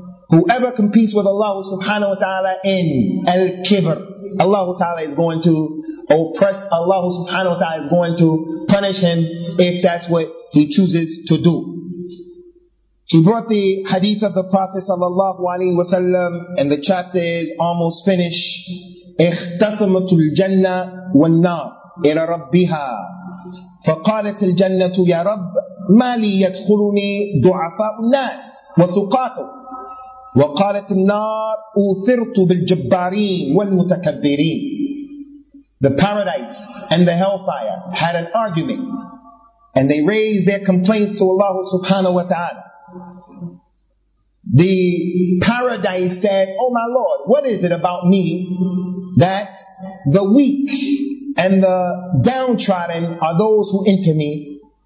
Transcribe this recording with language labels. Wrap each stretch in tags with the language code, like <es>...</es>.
<en>Whoever competes with Allah subhanahu wa ta'ala in al-kibr, Allah ta'ala is going to oppress, Allah subhanahu wa ta'ala is going to punish him if that's what he chooses to do. He brought the hadith of the Prophet sallallahu alaihi wasallam, and the chapter is almost finished.</en> <ar>اختصمت الجنة والنار إلى ربها فقالت الجنة يا رب ما لي يدخلني ضعفاء الناس وسقاطه وقالت النار أوثرت بالجبارين والمتكبرين.</ar> <en>the paradise and the hellfire had an argument, and they raised their complaints to Allah subhanahu wa ta'ala. The paradise said, "Oh my Lord, what is it about me that the weak and the downtrodden are those who enter me?</en>